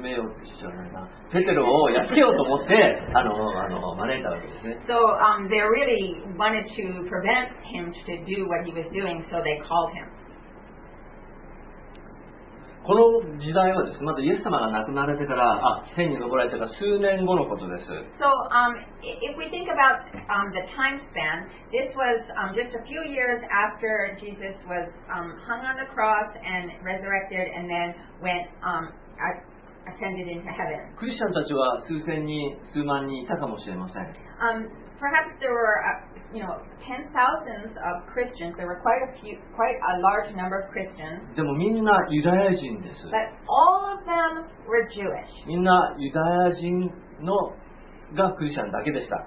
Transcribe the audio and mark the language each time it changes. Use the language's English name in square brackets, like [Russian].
[Japanese] めようって必要ないな。ペテロをやっつけようと思って、招いたわけですね。 [English] So, they really wanted to prevent him to do what he was doing, so they called him. [Japanese] この時代はですね、まだイエス様が亡くなられてから、天に昇られてから数年後のことです。 [English] So, if we think about, the time span, this was, just a few years after Jesus was, hung on the cross and resurrected and then went, ascended into heaven. [Japanese] クリスチャンたちは数千人、数万人いたかもしれません。 [English] Perhaps there were, ten thousands of Christians. There were quite a large number of Christians. [Japanese] でもみんなユダヤ人です。 [English] But all of them were Jewish. [Japanese] みんなユダヤ人のがクリスチャンだけでした。